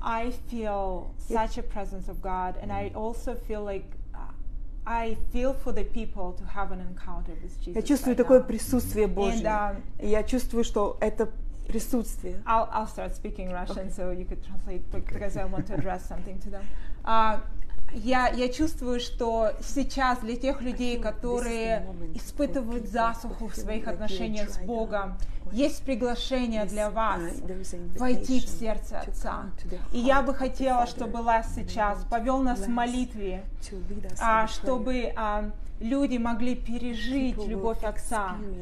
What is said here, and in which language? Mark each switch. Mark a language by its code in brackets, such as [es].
[en] I feel such a presence of God, and I also feel like I feel for the people to have an encounter with Jesus. [ru] Я чувствую такое присутствие Божье. Я чувствую, что это присутствие. [en] I'll start speaking Russian, okay. So you could translate, because I want to address something to them. [ru] Я чувствую, что сейчас для тех людей, которые испытывают засуху в своих отношениях с Богом, есть приглашение для вас войти в сердце Отца. И я бы хотела, чтобы Лес сейчас повел нас в молитве, чтобы люди могли пережить любовь Отца